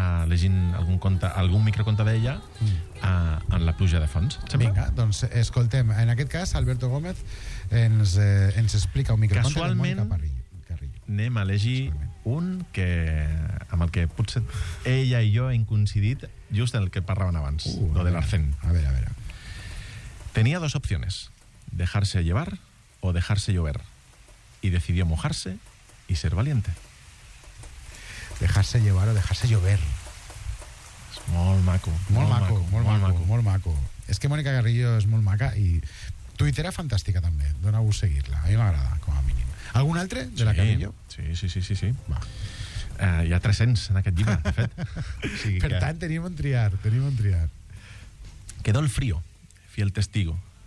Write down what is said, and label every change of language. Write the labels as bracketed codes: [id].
[ca] Llegint algun microconte d'ella en la pluja de fons. Vinga, doncs escoltem. En aquest cas, Alberto Gómez ens explica un microconte de Mònica Carrillo. Anem a llegir un que amb el que potser ella i jo hem coincidit just en el que parlaven abans, lo de l'arcén. A veure. [es] Tenia dos opciones, dejarse llevar o dejarse llover. I decidió mojarse y ser valiente. Dejarse llevar o dejarse llover. [ca] Es molt maco. Molt maco. És que Mònica Carrillo és molt maca i tuitera fantàstica també. Dona-vos seguir-la. A mi m'agrada, com a mínim. Algun altre de la Carrillo? Sí. Va. Hi ha 300 en aquest llibre, de fet. Sí, per que... tant, tenim un triar. [es] Quedó el frío, fiel testigo.